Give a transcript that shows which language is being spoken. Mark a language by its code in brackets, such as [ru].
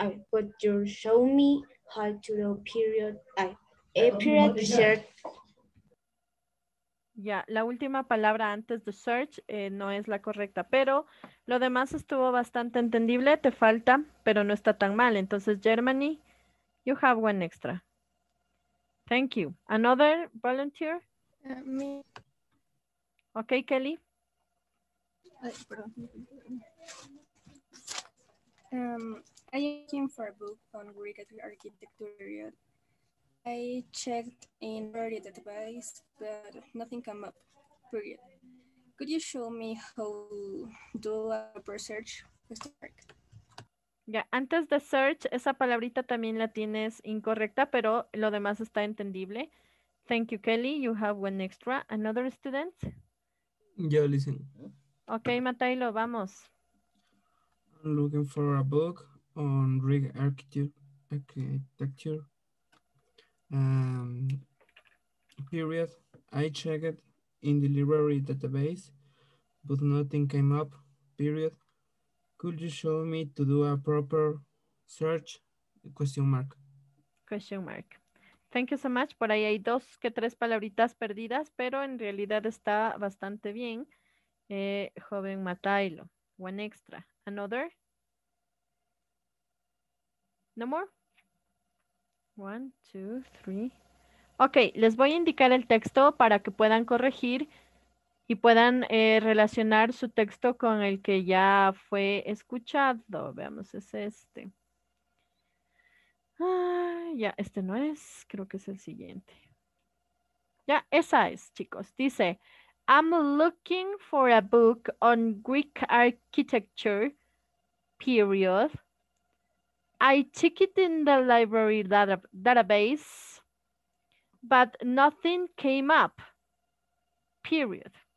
[en] But you show me how to do a period search. [es] Yeah, la última palabra antes de search no es la correcta, pero lo demás estuvo bastante entendible. Te falta, pero no está tan mal. Entonces, Germany, [en] you have one extra. Thank you. Another volunteer? Me. Okay, Kelly. I came for a book on Greek architecture. I checked in the database, but nothing came up. Period. Could you show me how to do a proper search? [es] Ya, antes de search, esa palabrita también la tienes incorrecta, pero lo demás está entendible. [en] Thank you, Kelly. You have one extra. Another student? Yeah, listen. [es] Okay, Matailo, vamos. [en] I'm looking for a book on Greek architecture. Period. I checked in the library database, but nothing came up. Period. Could you show me to do a proper search? Question mark. Thank you so much. [es] Por ahí hay dos que tres palabritas perdidas, pero en realidad está bastante bien. [en] Joven Matailo. One extra. Another? No more? One, two, three. [es] Okay, les voy a indicar el texto para que puedan corregir y puedan relacionar su texto con el que ya fue escuchado. Veamos, es este. Ya, este no es, creo que es el siguiente. Ya, esa es, chicos. [en] Dice, I'm looking for a book on Greek architecture, period. I check it in the library database, but nothing came up, period.